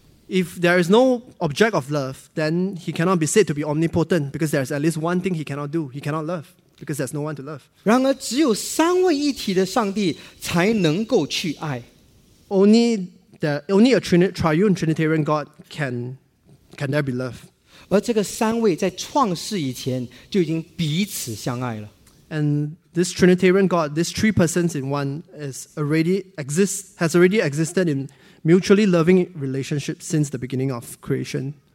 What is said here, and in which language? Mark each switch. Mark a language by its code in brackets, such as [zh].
[en] If there is no object of love, then he cannot be said to be omnipotent because there is at least one thing he cannot do. He cannot love because there's no one to love. [zh] 然而只有三位一体的上帝才能够去爱。 [en] Only a triune Trinitarian God can there be love. [zh] 而这个三位在创世以前就已经彼此相爱了。 [en] And this Trinitarian God, these three persons in one, has already existed in mutually loving relationship since the beginning of creation.